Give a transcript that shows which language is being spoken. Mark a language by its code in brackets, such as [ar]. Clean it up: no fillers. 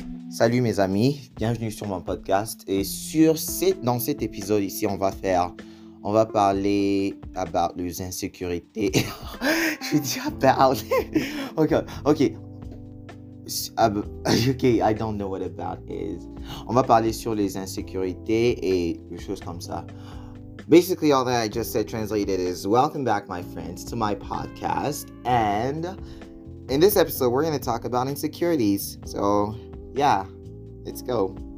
[fr] Salut mes amis, bienvenue sur mon podcast et dans cet épisode ici, on va parler about les insécurités. Je dis about. Ok. [en] Ok, I don't know what about is. [fr] On va parler sur les insécurités et des choses comme ça. [en] Basically, all that I just said translated is welcome back, my friends, to my podcast. And in this episode, we're going to talk about insecurities. So, yeah, let's go.